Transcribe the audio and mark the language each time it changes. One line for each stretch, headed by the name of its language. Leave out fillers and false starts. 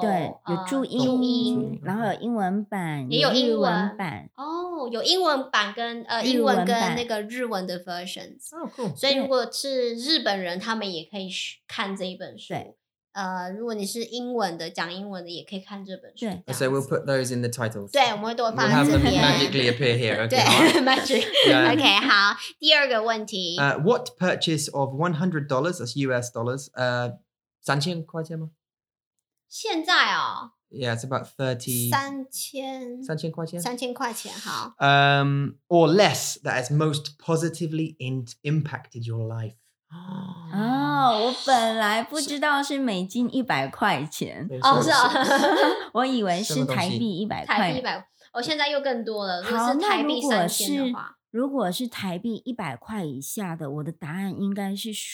Chinese: 对有注音、然后有英文版也有英文版哦有英文版跟、英文跟那个日文的 versions、
English: cool.
Chinese: 所以如果是日本人他们也可以看这一本书对如果你是英文的讲英文的也可以看这本书对
English: 这 So we'll put those in the titles
Chinese: 对我们会都放在这边
English: We'll have them magically appear here okay,
Chinese: 对 magic OK 好第二个问题、
English: What purchase of $100 that's US dollars
Chinese: 三千块钱吗现在哦
English: Yeah it's about
Chinese: 三千块钱好
English: Or less that has most positively impacted your life
Chinese: 哦、我本来不知道是美金100块钱哦是哦我以为是台币100块我、现在又更多了好是台币3000的话如果是台币100块以下的我的答案应该是